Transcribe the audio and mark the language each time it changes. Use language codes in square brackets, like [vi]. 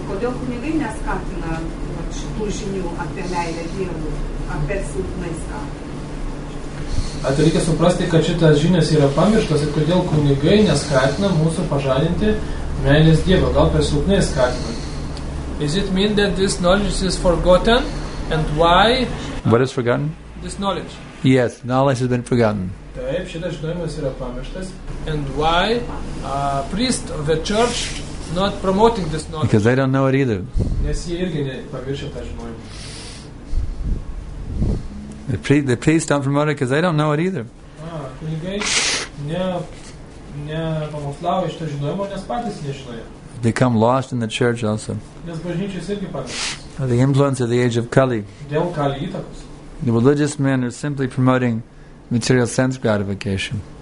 [lt] Kodėl kunigai neskatina šitų žinių apie meilę Dievui, apie silpnai skatina? Ar tai reikia suprasti, kad šitas žinias yra pamirštas ir kodėl kunigai neskatina mūsų pažadinti meilės Dievą, gal per silpnai skatina? [en] Is it mean that this knowledge is forgotten and why? What is forgotten? This knowledge. Yes, knowledge has been forgotten. [lt] Taip, šitas žinojimas yra pamirštas. [en] And why a priest of the church not promoting this knowledge? Because they don't know it either. [lt] Nes jie irgi nepamiršė tą žinojimą. [en] The priest don't promote it because they don't know it either. [lt] Kunigai nepamokslavo iš to žinojimo, nes patys nežinojo. [en] Become lost in the church also. [lt] Nes bažnyčios irgi pamirštas. [en] The influence of the age of Kali. [lt] Dėl Kali įtakos. [en] The religious men are simply promoting material sense gratification.